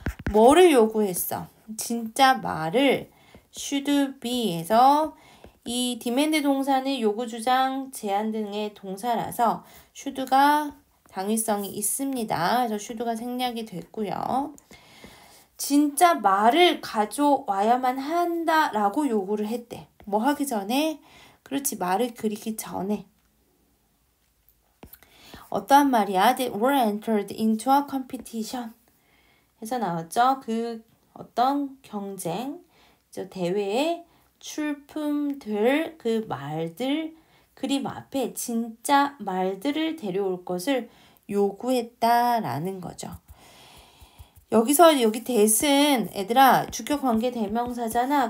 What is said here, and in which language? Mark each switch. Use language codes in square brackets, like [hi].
[ko] 뭐를 요구했어? 진짜 말을 [en] should be [ko] 에서 이 demand 동사는 요구 주장 제안 등의 동사라서 should가 당위성이 있습니다. 그래서 should가 생략이 됐고요. 진짜 말을 가져와야만 한다라고 요구를 했대. 뭐 하기 전에? 그렇지, 말을 그리기 전에. 어떠한 말이야? [en] They were entered into a competition. [ko] 해서 나왔죠? 그 어떤 경쟁, 저 대회에 출품될 그 말들, 그림 앞에 진짜 말들을 데려올 것을 요구했다라는 거죠. 여기서 여기 that은 얘들아 주격 관계 대명사잖아.